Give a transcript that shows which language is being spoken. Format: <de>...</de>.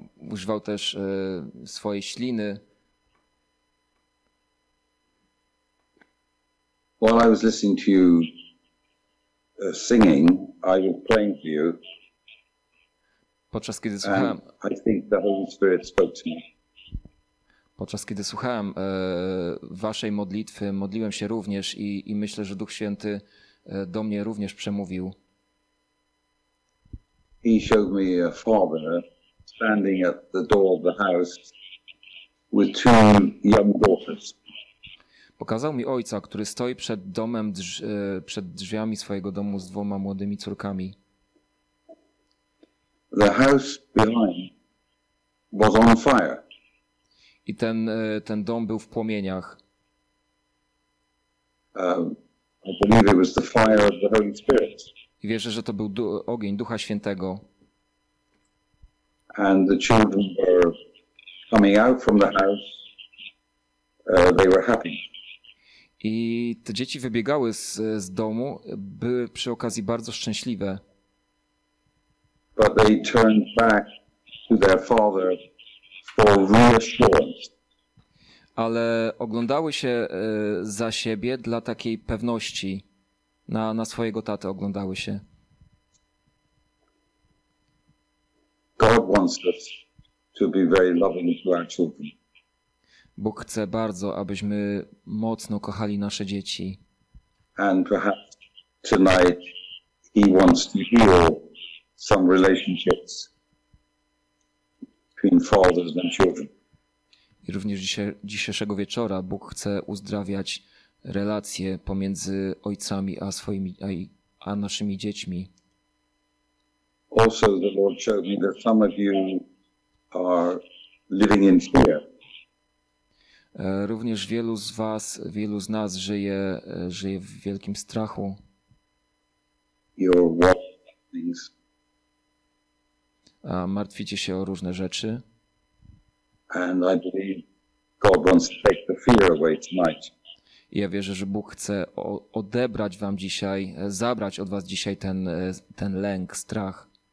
<pl>Używał też swojej śliny.</pl> <en>While I was listening to you singing, I was praying for you.</en> <pl>Podczas kiedy słuchałem,</pl> <en>I think the Holy Spirit spoke to me.</en> <pl>Podczas kiedy słuchałem waszej modlitwy, modliłem się również i myślę, że Duch Święty do mnie również przemówił.</pl> <en>He showed me a father standing at the door of the house with two young daughters.</en> <pl>Pokazał mi ojca, który stoi przed domem, przed drzwiami swojego domu z dwoma młodymi córkami.</pl> <en>The house behind was on fire.</en> <pl>I ten dom był w płomieniach.</pl> <en>I believe it was the fire of the Holy Spirit.</en> <pl>I wierzę, że to był ogień Ducha Świętego.</pl> <en>And the children were coming out from the house. They were happy.</en> <pl>I te dzieci wybiegały z domu, były przy okazji bardzo szczęśliwe.</pl> <en>But they turned back to their father for reassurance.</en> <pl>Ale oglądały się za siebie dla takiej pewności. Na swojego tatę oglądały się.</pl> <en>God wants us to be very loving to our children.</en> <pl>Bóg chce bardzo, abyśmy mocno kochali nasze dzieci.</pl> <en>And perhaps tonight he wants to heal some relationships between fathers and children.</en> <pl>I również dzisiejszego wieczora Bóg chce uzdrawiać relacje pomiędzy ojcami a naszymi dziećmi.</pl> <en>Also the Lord showed me that some of you are living in fear.</en> <pl>Również wielu z nas żyje w wielkim strachu.</pl> <en>You're watching things.</en> <pl>A martwicie się o różne rzeczy.</pl> <en>And I believe God wants to take the fear away tonight.</en> <pl>I ja wierzę, że Bóg chce odebrać wam dzisiaj, zabrać od was dzisiaj ten lęk, strach.</pl>